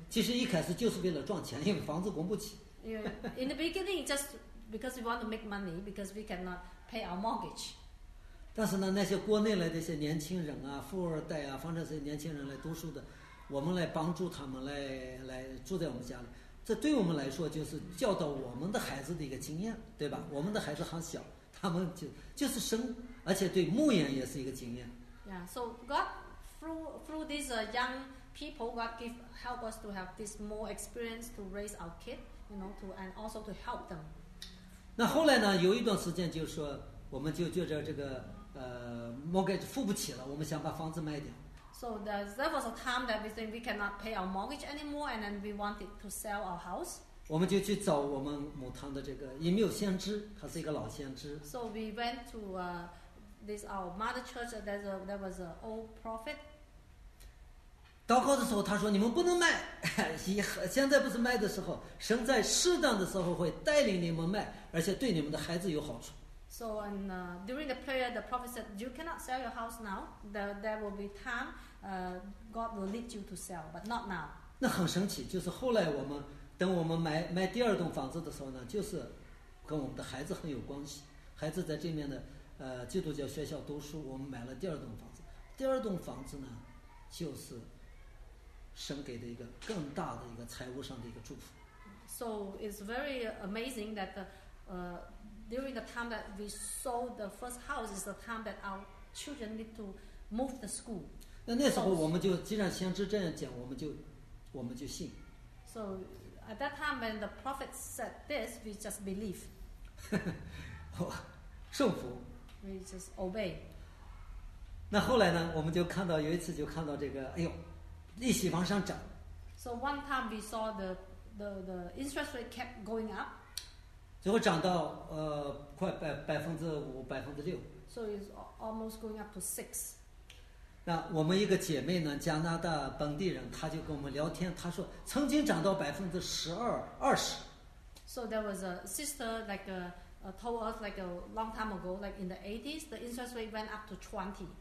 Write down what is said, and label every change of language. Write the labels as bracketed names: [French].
[Chinese] 其实一开始就是为了赚钱，因为房子供不起。 [English] Yeah, in the beginning, just because we want to make money, because we cannot pay our mortgage. [Chinese] 但是呢，那些国内来的一些年轻人啊，富二代啊，反正这些年轻人来读书的，我们来帮助他们来住在我们家里。这对我们来说就是教导我们的孩子的一个经验，对吧？我们的孩子很小，他们就是生，而且对牧羊也是一个经验。 [English] Yeah, so God through these young people, God help us to have this more experience to raise our kid, you know, to and also to help them. [Chinese] 那后来呢？有一段时间就是说，我们就觉着这个mortgage 付不起了，我们想把房子卖掉。 [English] So there was a time that we think we cannot pay our mortgage anymore, and then we wanted to sell our house. [Chinese] 我们就去找我们母堂的这个以缪先知，他是一个老先知。 [English] So we went to this our mother church. There was an old prophet. [Chinese] 祷告的时候，他说：“你们不能卖，现在不是卖的时候，神在适当的时候会带领你们卖，而且对你们的孩子有好处。” [English] So and during the prayer, the prophet said, "You cannot sell your house now. There will be time. God will lead you to sell, but not now." [Chinese] 那很神奇，就是后来我们等我们买第二栋房子的时候呢，就是跟我们的孩子很有关系。孩子在这面的基督教学校读书，我们买了第二栋房子。第二栋房子呢，就是神给的一个更大的一个财务上的一个祝福。 [English] So it's very amazing that during the time that we sold the first house is the time that our children need to move the school. [Chinese] 那时候我们就既然先知这样讲，我们就信。 [English] So at that time when the prophet said this, we just believe. [Chinese] 顺服。 [English] We just obey. [Chinese] 那后来呢，我们就看到有一次就看到这个，哎呦，利息往上涨。 [English] So one time we saw the interest rate kept going up. [Chinese] 最后涨到快5%6%。 [English] So it's almost going up to 6%. [Chinese] 那我们一个姐妹呢，加拿大本地人，她就跟我们聊天，她说曾经涨到12%-20%。 [English] So there was a sister like told us like a long time ago, like in the 80s, the interest rate went up to 20%.